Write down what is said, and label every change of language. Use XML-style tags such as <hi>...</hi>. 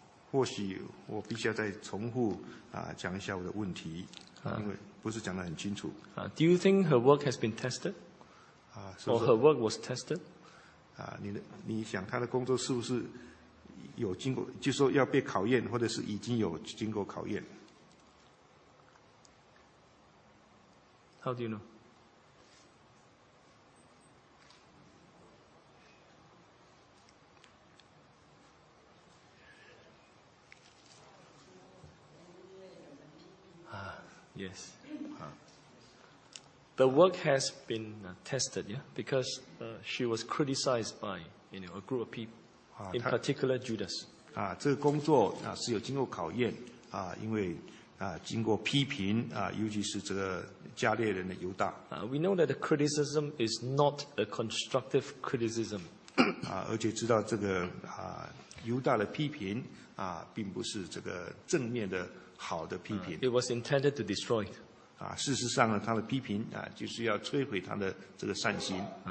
<zh>或许我必须要再重复讲一下我的问题，因为不是讲得很清楚。</zh> <en>Do you think her work has been tested? Or her work was tested?</en> <zh>你想她的工作是不是有经过，就是说要被考验，或者是已经有经过考验</zh> <en>？How do you know? Yes. The work has been tested, yeah, because she was criticized by, you know, a group of people, in particular Judas.</en> <zh>这个工作是有经过考验，因为经过批评，尤其是这个加略人的犹大。</zh> <en>We know that the criticism is not a constructive criticism.</en> <zh>而且知道这个犹大的批评并不是这个正面的好的批评。</zh> <en>It was intended to destroy.</en> <zh>事实上呢，他的批评就是要摧毁他的这个善心。</zh>